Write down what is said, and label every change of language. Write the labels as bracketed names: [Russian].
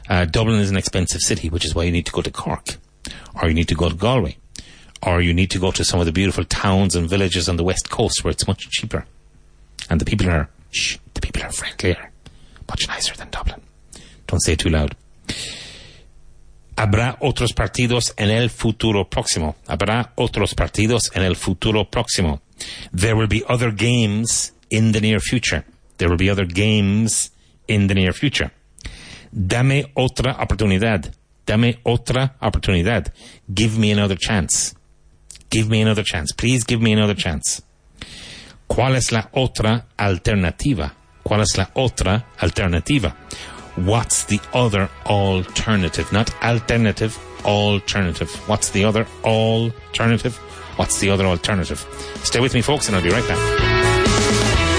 [English] Dublin is an expensive city, which is why you need to go to Cork, or you need to go to Galway, or you need to go to some of the beautiful towns and villages on the west coast where it's much cheaper. And the people are, the people are friendlier. Much nicer than Dublin. Don't say it too loud. [Spanish] Habrá otros partidos en el futuro próximo. Habrá otros partidos en el futuro próximo. [English] There will be other games in the near future. There will be other games in the near future. [Spanish] Dame otra oportunidad. Dame otra oportunidad. [English] Give me another chance. Give me another chance. Please give me another chance. [Spanish] ¿Cuál es la otra alternativa? ¿Cuál es la otra alternativa? [English] What's the other alternative? Not alternative, alternative. What's the other alternative? What's the other alternative? Stay with me, folks, and I'll be right back.